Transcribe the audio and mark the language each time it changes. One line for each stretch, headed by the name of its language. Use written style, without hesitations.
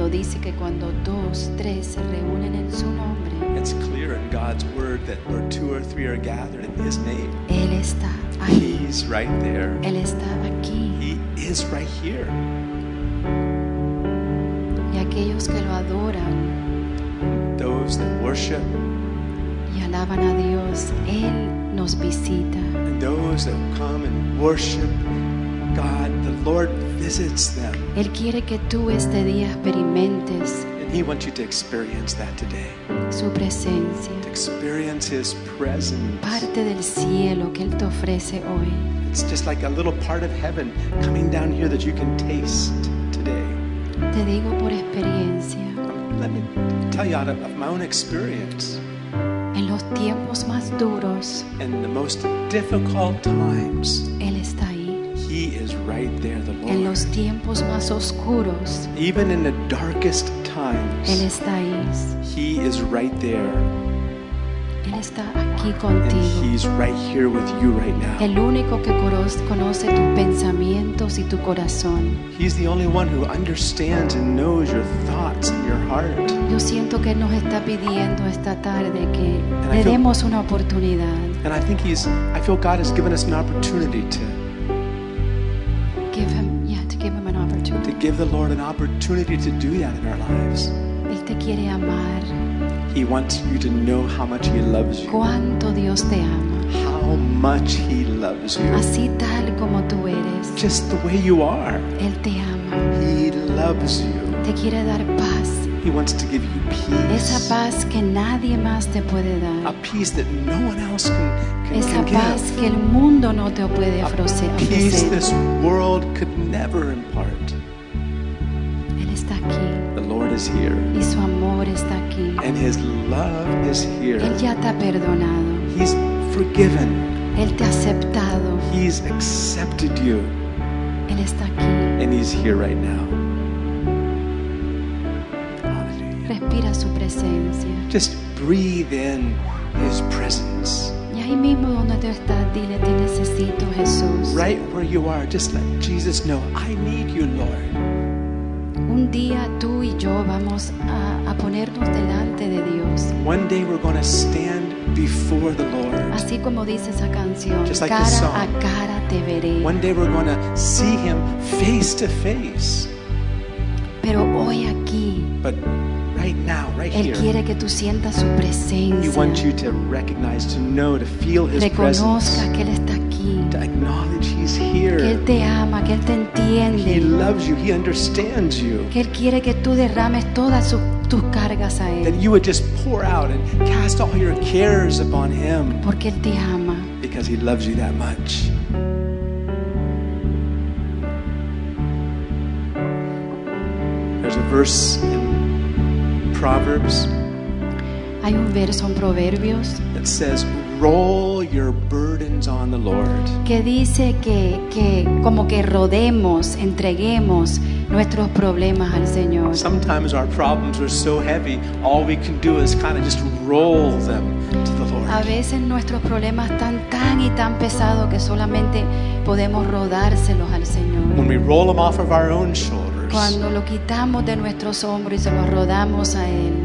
Spanish: cuando dice que cuando dos, tres se reúnen en su nombre,
English: it's clear in God's word that where two or three are gathered in his name,
Spanish: él está aquí.
English: He's right there.
Spanish: Él está aquí.
English: He is right here.
Spanish: Y aquellos que lo adoran,
English: those that worship
Spanish: y alaban a Dios, él nos visita.
English: And those that come and worship God, the Lord visits them.
Spanish: Él quiere que tú este día experimentes.
English: And he wants you to experience that today.
Spanish: Su presencia.
English: To experience his presence.
Spanish: Parte del cielo que él te ofrece hoy.
English: It's just like a little part of heaven coming down here that you can taste today.
Spanish: Te digo por experiencia.
English: Let me tell you out of my own experience.
Spanish: En los tiempos más duros.
English: In the most difficult times.
Spanish: Él está ahí.
English: He is right there, the Lord.
Spanish: En los tiempos más oscuros.
English: Even in the darkest times.
Spanish: Él está ahí.
English: He is right there.
Spanish: Él está aquí contigo.
English: And he's right here with you right now.
Spanish: El único que conoce tus pensamientos y tu corazón.
English: He's the only one who understands and knows your thoughts and your heart.
Spanish: Yo siento que nos está pidiendo esta tarde que le demos una oportunidad.
English: And I think I feel God has given us an opportunity to give him, yeah, to give him an opportunity. To give the Lord an opportunity to do that in our lives.
Spanish: Él te quiere amar.
English: He wants you to know how much he loves you.
Spanish: Cuánto Dios te ama.
English: How much he loves you.
Spanish: Así tal como tú eres.
English: Just the way you are.
Spanish: Él te ama.
English: He loves you.
Spanish: Te quiere dar paz.
English: He wants to give you peace.
Spanish: Esa paz que nadie más te puede dar.
English: A peace that no one else can give.
Spanish: Esa paz que el mundo no te puede ofrecer.
English: A peace this world could never impart.
Spanish: Él está aquí.
English: The Lord is here.
Spanish: Y su amor está aquí.
English: And his love is here.
Spanish: Él ya te ha perdonado.
English: He's forgiven.
Spanish: Él te ha aceptado.
English: He's accepted you.
Spanish: Él está aquí.
English: And he's here right now.
Spanish: Respira su presencia.
English: Just breathe in his presence.
Spanish: Y ahí mismo donde tú estás, dile, te necesito, Jesús.
English: Right where you are, just let Jesus know, I need you, Lord.
Spanish: Un día tú y yo vamos a ponernos delante de Dios.
English: One day we're going to stand before the Lord.
Spanish: Así como dice esa canción,
English: just like
Spanish: cara
English: the song.
Spanish: A cara te veré.
English: One day we're going to see him face to face.
Spanish: Pero hoy aquí,
English: but right now, right
Spanish: él
English: here,
Spanish: quiere que tú sientas su presencia.
English: He wants you to recognize, to know, to feel his
Spanish: reconozca
English: presence.
Spanish: Que él está aquí.
English: To acknowledge he's here.
Spanish: Que él te ama, que él te entiende.
English: He loves you, he understands you.
Spanish: Que él quiere que tú derrames todas tus cargas a él.
English: That you would just pour out and cast all your cares upon him.
Spanish: Porque él te ama.
English: Because he loves you that much. There's a verse in Proverbs.
Spanish: Hay un verso en Proverbios.
English: That says, roll your burdens on the Lord.
Spanish: Que dice que como que rodemos, entreguemos nuestros problemas al Señor.
English: Sometimes our problems are so heavy, all we can do is kind of just roll them to the Lord.
Spanish: A veces nuestros problemas están tan y tan pesados que solamente podemos rodárselos al Señor.
English: When we roll them off of our own shoulders.
Spanish: Cuando lo quitamos de nuestros hombros y se los rodamos a él.